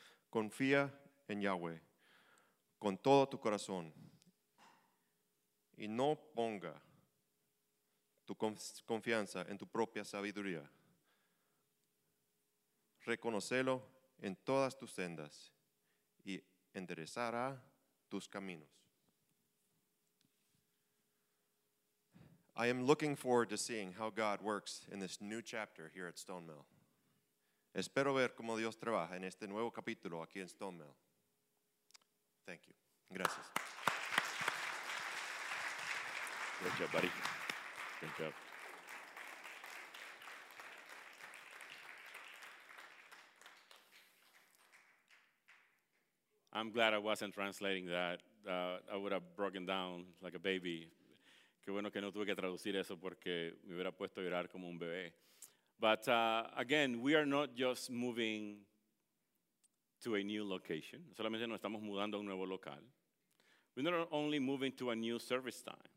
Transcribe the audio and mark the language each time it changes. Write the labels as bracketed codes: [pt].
[es] Confía en Yahweh con todo tu corazón y no ponga tu confianza en tu propia sabiduría. Reconócelo en todas tus sendas y enderezará tus caminos. [en] I am looking forward to seeing how God works in this new chapter here at Stone Mill. [es] Espero ver cómo Dios trabaja en este nuevo capítulo aquí en Stone Mill. [en] Thank you. [es] Gracias. [en] Good job, buddy. Good job. I'm glad I wasn't translating that. I would have broken down like a baby. [es] Qué bueno que no tuve que traducir eso porque me hubiera puesto a llorar como un bebé. [en] But again, we are not just moving to a new location. [es] Solamente nos estamos mudando a un nuevo local. [en] We're not only moving to a new service time.